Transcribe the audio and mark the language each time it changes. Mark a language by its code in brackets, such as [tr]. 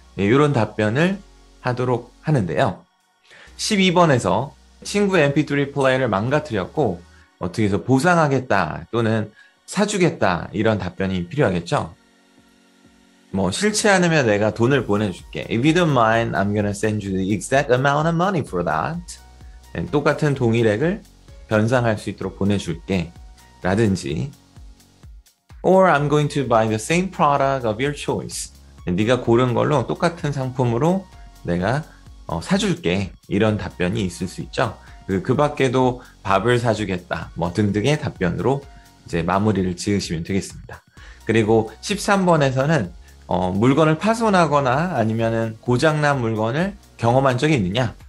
[ko] 예, 이런 답변을 하도록 하는데요. 12번에서 친구 MP3 플레이어를 망가뜨렸고 어떻게 해서 보상하겠다 또는 사주겠다 이런 답변이 필요하겠죠. 뭐 싫지 않으면 내가 돈을 보내줄게. [en] If you don't mind, I'm gonna send you the exact amount of money for that. [ko] 예, 똑같은 동일액을 변상할 수 있도록 보내줄게. 라든지 [en] Or I'm going to buy the same product of your choice. [ko] 예, 네가 고른 걸로 똑같은 상품으로 내가 사줄게. 이런 답변이 있을 수 있죠. 그 밖에도 밥을 사주겠다. 뭐 등등의 답변으로 이제 마무리를 지으시면 되겠습니다. 그리고 13번에서는 물건을 파손하거나 아니면은 고장난 물건을 경험한 적이 있느냐?